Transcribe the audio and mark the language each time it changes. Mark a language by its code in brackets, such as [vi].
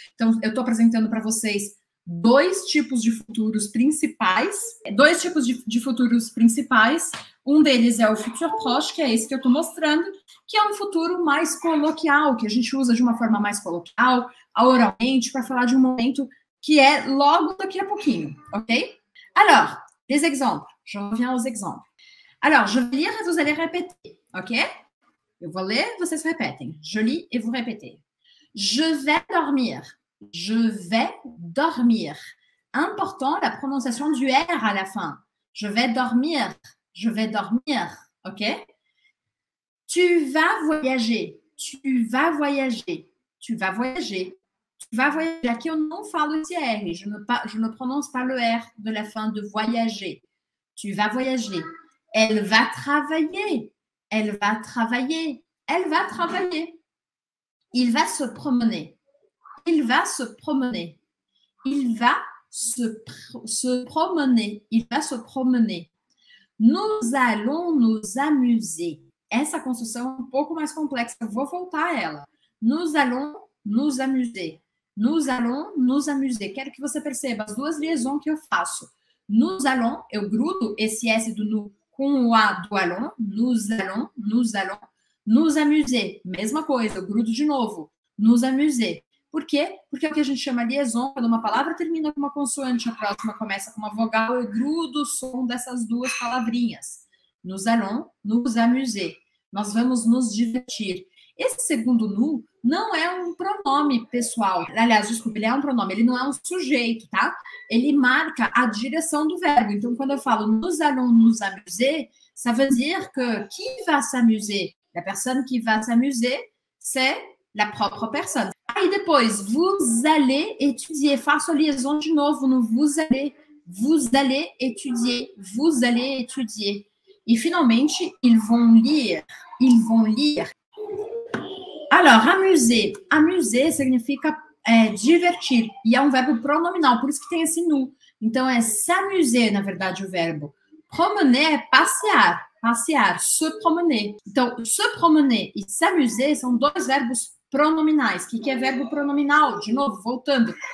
[pt] Então, eu estou apresentando para vocês dois tipos de futuros principais. Um deles é o futur proche, que é esse que eu estou mostrando, que é um futuro mais coloquial, que a gente usa de uma forma mais coloquial, oralmente, para falar de um momento que é logo daqui a pouquinho, ok? [fr] Alors, des exemples. Je reviens aux exemples. Alors, je vais lire et vous allez répéter, ok? [pt] Eu vou ler, vocês repetem. [fr] Je lis et vous répétez. Je vais dormir. Je vais dormir. Important la prononciation du R à la fin. Je vais dormir. Je vais dormir. Ok? Tu vas voyager. Tu vas voyager. Tu vas voyager. Tu vas voyager. [pt] Aqui eu não falo esse R. [fr] Je ne prononce pas le R de la fin de voyager. Tu vas voyager. Elle va travailler. Elle va travailler. Elle va travailler. Il va se promener. Il va se promener. Il va se promener. Il va se promener. Nous allons nous amuser. [pt] Essa construção é um pouco mais complexa. Eu vou voltar a ela. [fr] Nous allons nous amuser. Nous allons nous amuser. [pt] Quero que você perceba as duas liaisons que eu faço. [fr] Nous allons, [pt] eu grudo esse S do nous com o A do allons. [fr] Nous allons, nous allons. Nous amuser. [pt] Mesma coisa, eu grudo de novo. [fr] Nous amuser. [pt] Por quê? Porque é o que a gente chama de liaison, quando uma palavra termina com uma consoante, a próxima começa com uma vogal, eu grudo o som dessas duas palavrinhas. [fr] Nous allons nous amuser. [pt] Nós vamos nos divertir. Esse segundo nu não é um pronome pessoal. Aliás, desculpa, ele é um pronome, ele não é um sujeito, tá? Ele marca a direção do verbo. Então, quando eu falo [fr] nous allons nous amuser, ça veut dire que qui va s'amuser? La personne qui va s'amuser, c'est la propre personne. [pt] Aí depois, [fr] vous allez étudier. [pt] Faço a liaison de novo no [fr] vous allez étudier, vous allez étudier. [pt] E finalmente, [fr] ils vont lire, ils vont lire. Alors, amuser. Amuser [pt] significa divertir. E é um verbo pronominal, por isso que tem esse nu. Então, é s'amuser, na verdade, o verbo. Promener é passear, passear. [fr] Se promener. [pt] Então, [fr] se promener [pt] e s'amuser são dois verbos pronominais. O que é verbo pronominal? De novo, voltando.